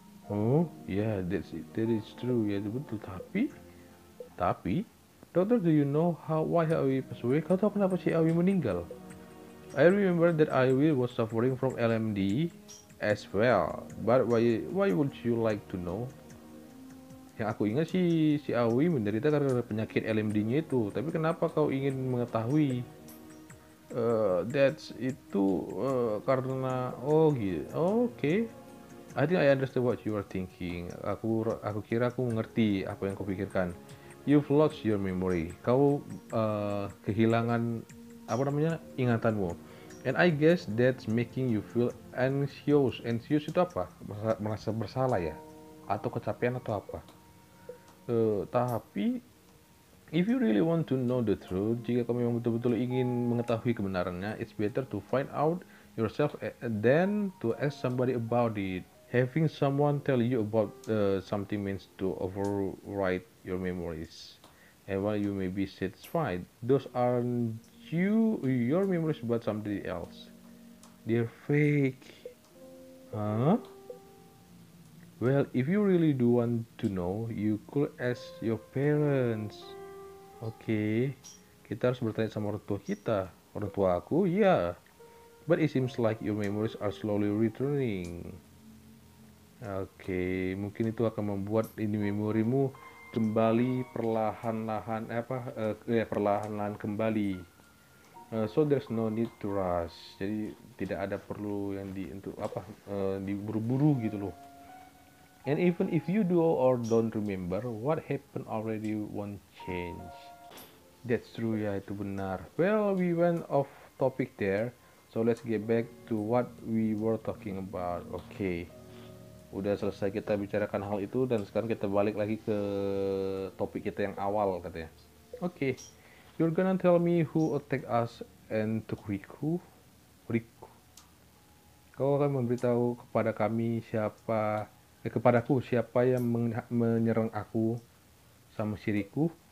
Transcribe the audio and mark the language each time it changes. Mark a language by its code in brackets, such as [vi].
[en] Oh, yeah, that is true. [id] Ya, betul. Tapi [en] Dokter, do you know how why Aiwi passed away? [id] Kau tahu kenapa si Aiwi meninggal? [en] I remember that Aiwi was suffering from LMD as well. But why would you like to know? [id] Yang aku ingat sih, si Aiwi menderita karena penyakit LMD-nya itu. Tapi kenapa kau ingin mengetahui? Karena oh gitu. Oh, oke. [en] Okay. I think I understand what you are thinking. [id] Aku kira aku mengerti apa yang kau pikirkan. [en] You've lost your memory. [id] Kau kehilangan apa namanya? Ingatanmu. [en] And I guess that's making you feel anxious. [id] Anxious itu apa? Merasa bersalah ya? Atau kecapean atau apa? Tapi [en] if you really want to know the truth, [id] jika kamu memang betul-betul ingin mengetahui kebenarannya, [en] it's better to find out yourself than to ask somebody about it. Having someone tell you about something means to overwrite your memories. And while you may be satisfied, those aren't your memories but somebody else. They're fake. Huh? Well, if you really do want to know, you could ask your parents. [id] Oke, okay. Kita harus bertanya sama orang tua kita. Orang tua aku, iya. Yeah. [en] But it seems like your memories are slowly returning. Oke, okay. [id] Mungkin itu akan membuat ini memorimu kembali perlahan-lahan perlahan-lahan kembali. [en] So there's no need to rush. [id] Jadi tidak ada perlu yang diburu-buru gitu loh. [en] And even if you do or don't remember, what happened already won't change. That's true, [id] ya, itu benar. [en] Well, we went off topic there, so let's get back to what we were talking about. [id] Okay, udah selesai kita bicarakan hal itu, dan sekarang kita balik lagi ke topik kita yang awal, katanya. [en] Okay, you're gonna tell me who attacked us and took Riku? [id] Riku. Kau akan memberitahu kepada kami siapa... kepadaku siapa yang menyerang aku sama si Riku?